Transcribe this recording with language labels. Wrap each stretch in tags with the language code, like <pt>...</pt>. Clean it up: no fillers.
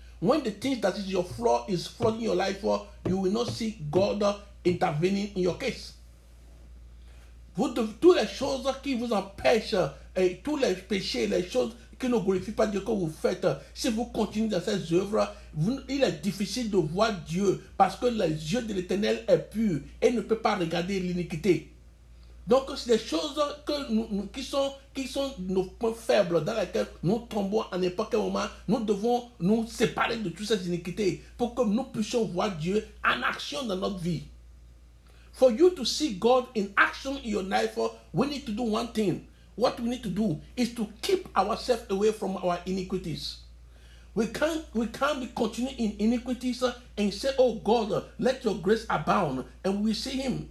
<en>When the things that is your flaw is flooding your life, you will not see God intervening in your case.</en> <fr>Tous les choses qui vous empêchent, tous les péchés, les choses que ne glorifie pas Dieu que vous faites. Si vous continuez dans ces œuvres, il est difficile de voir Dieu parce que les yeux de l'Éternel est pur et ne peut pas regarder l'iniquité. Donc, c'est des choses que qui sont nos points faibles dans lesquels nous tombons à n'importe quel moment. Nous devons nous séparer de toutes ces iniquités pour que nous puissions voir Dieu en action dans notre vie.</fr> <en>For you to see God in action in your life, we need to do one thing. What we need to do is to keep ourselves away from our iniquities. We can't be continuing in iniquities and say, "Oh God, let your grace abound," and we see him.</en>